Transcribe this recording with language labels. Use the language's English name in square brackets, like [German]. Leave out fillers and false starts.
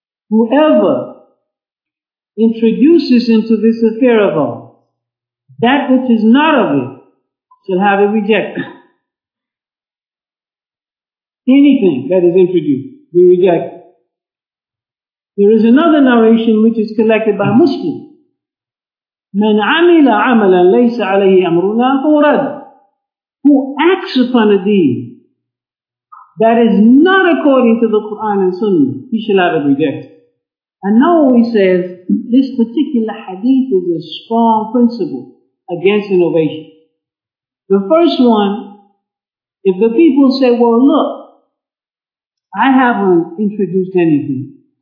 [English] Whoever introduces into this affair of all that which is not of it, shall have it rejected. Anything that is introduced, be rejected. There is another narration which is collected by Muslim. [Arabic] من عمل عملا ليس عليه أمرنا هو رد. [English] Who acts upon a deed that is not according to the Quran and Sunnah, he shall have it rejected. And now he says, this particular hadith is a strong principle against innovation. The first one, if the people say, well, look, I haven't introduced anything.